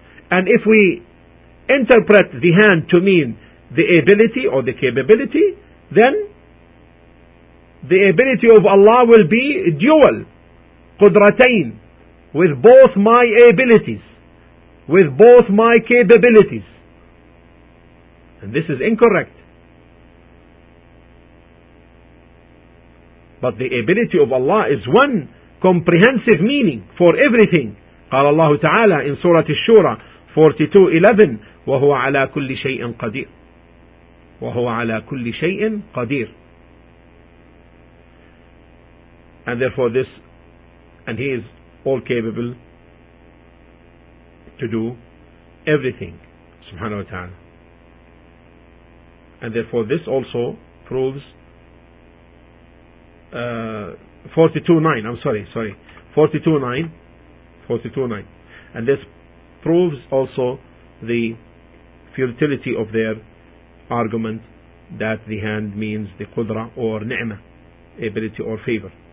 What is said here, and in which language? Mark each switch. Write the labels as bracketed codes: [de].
[en] And if we interpret the hand to mean the ability or the capability, then the ability of Allah will be dual, قدرتين, with both my abilities, with both my capabilities. And this is incorrect. But the ability of Allah is one comprehensive meaning for everything. [ar] قال الله تعالى [en] in Surah Ash-Shura 42:11, [ar] وَهُوَ عَلَى كُلِّ شَيْءٍ قَدِيرٍ وَهُوَ عَلَى كُلِّ شَيْءٍ قَدِيرٍ [en] and therefore this, and he is all capable to do everything, subhanahu wa ta'ala. And therefore this also proves 42.9, and this proves also the futility of their argument that the hand means the qudra or ni'mah, ability or favor.